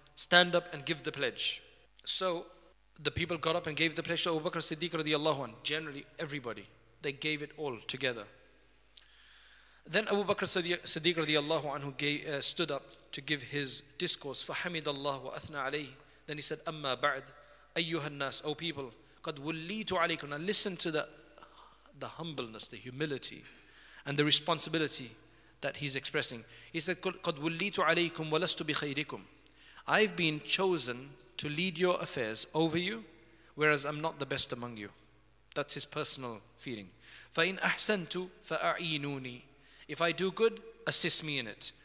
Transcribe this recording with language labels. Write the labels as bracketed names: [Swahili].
[English] Stand up and give the pledge. So the people got up and gave the pledge to Abu Bakr Siddiq radiallahu anhu. Generally, everybody. They gave it all together. Then Abu Bakr Siddiq radiallahu anhu stood up to give his discourse. [Arabic] فَحَمِدَ اللَّهُ وَأَثْنَى عَلَيْهِ. [English] Then he said, [Arabic] أَمَّا بَعْدْ أَيُّهَا النَّاسِ, [English] O people, [Arabic] قَدْ وُلِّيْتُ عَلَيْكُمْ. [English] Now listen to the humbleness, the humility, and the responsibility that he's expressing. He said, [Arabic] قَدْ وُلِّيْتُ عَلَيْكُمْ وَلَسْتُ بِخَيْرِكُمْ. [English] I've been chosen to lead your affairs over you, whereas I'm not the best among you. That's his personal feeling. [Arabic] فَإِنْ أَحْسَنْتُ فَأَعِينُونِي. [English] If I do good, assist me in it.